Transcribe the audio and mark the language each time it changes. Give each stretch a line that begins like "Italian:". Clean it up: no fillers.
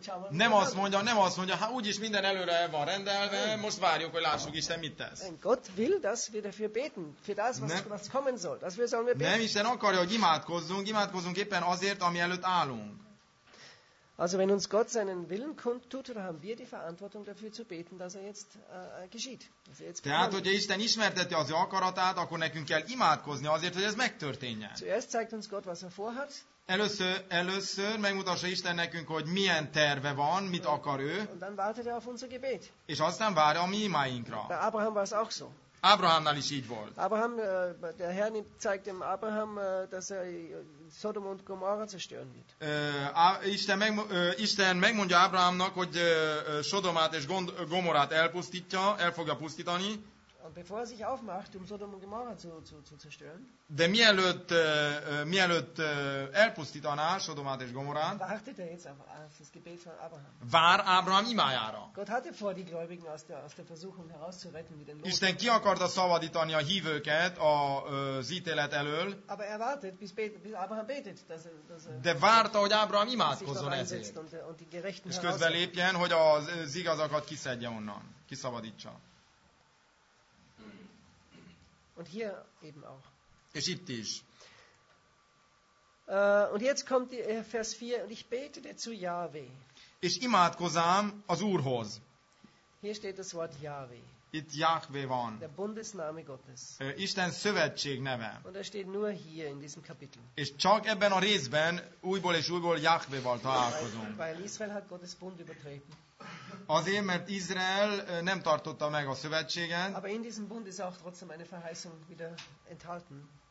Hungarian: Nem azt mondja, hát úgyis minden előre el van rendelve, most várjuk, hogy lássuk Isten mit tesz.
German: Gott will, dass wir dafür beten, für das, was kommen soll, dass wir sollen wir beten.
Hungarian: Nem, Isten akarja, hogy imádkozzunk éppen azért, ami előtt állunk.
German: Also wenn uns Gott seinen Willen kundtut, dann haben wir die Verantwortung dafür zu beten, dass er jetzt geschieht.
Hungarian: Tehát, hogyha Isten ismerteti az akaratát, akkor nekünk kell imádkozni azért, hogy ez megtörténjen.
German: Zuerst zeigt uns Gott, was er vorhat.
Hungarian: Először megmutassa Isten nekünk, hogy milyen terve van, mit akar ő.
German: Und dann wartet er auf unser Gebet.
Hungarian: És aztán vár a mi imáinkra.
German: Bei Abraham war es auch so.
Hungarian: Abrahamnál is így volt.
German: Abraham, der Herr zeigt dem Abraham, dass er Sodom und Gomorra zerstören wird.
Hungarian: Isten megmondja Abrahamnak, hogy Sodomát és Gomorrát elpusztítja, el fogja pusztítani.
German: Und bevor er sich aufmacht, um Sodom und Gomorra zu zerstören.
Hungarian: De mielőtt elpusztítaná Sodomát és Gomorrát.
German: Wartet er jetzt auf das Gebet von Abraham.
Hungarian: Vár Abraham imájára.
German: Gott hatte vor, die Gläubigen aus der Versuchung herauszuretten, wie den Lot.
Hungarian: Isten ki akarta szabadítani a hívőket az ítélet elől.
German: Aber er wartet, bis Abraham betet, dass er.
Hungarian: De várta, hogy Abraham imádkozzon ezért.
German: Und die Gerechten
Hungarian: és közben lépjen, hogy az igazakat kiszedje onnan, kiszabadítsa.
German: Und hier eben auch. Es gibt dies. Und jetzt kommt Vers 4 und ich betete zu Jahwe.
Hungarian: És imádkozám az Úrhoz.
German: Hier steht das Wort Jahwe.
Hungarian: Itt Jahwe van.
German: Der Bundesname Gottes.
Hungarian: Isten szövetség neve.
German: Und er steht nur hier in diesem Kapitel.
Hungarian: És csak ebben a részben újból és újból Jahwe-val találkozunk.
German: Weil Israel hat Gottes Bund übertreten.
Hungarian: Azért, mert Izrael nem tartotta meg a szövetséget.
German: Aber in diesem Bund ist auch trotzdem eine Verheißung wieder enthalten.